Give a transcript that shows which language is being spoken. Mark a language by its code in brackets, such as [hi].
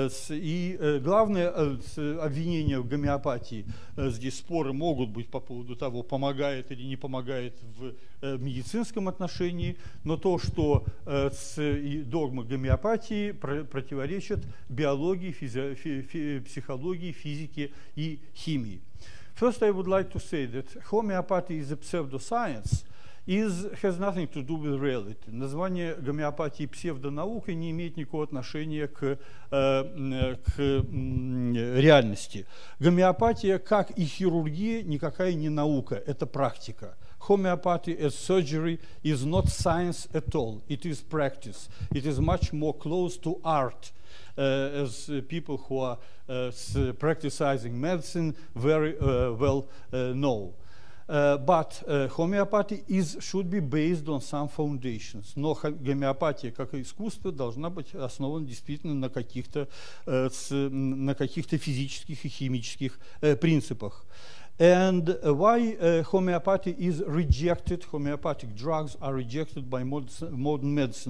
[ru] И главное обвинение в гомеопатии, здесь споры могут быть по поводу того, помогает или не помогает в медицинском отношении, но то, что догмы гомеопатии противоречат биологии, психологии, физике и химии. [en] First, I would like to say that homeopathy is a pseudoscience. Has nothing to do with reality. [ru] Название гомеопатии псевдонаука не имеет никакого отношения к реальности. Гомеопатия, как и хирургия, никакая не наука, это практика. [en] Homeopathy as surgery is not science at all. It is practice. It is much more close to art. As people who are practicing medicine very well know. But homeopathy should be based on some foundations. [ru] Но гомеопатия как искусство должна быть основана действительно на каких-то физических и химических принципах. [en] And why homeopathy is rejected? Homeopathic drugs are rejected by modern medicine.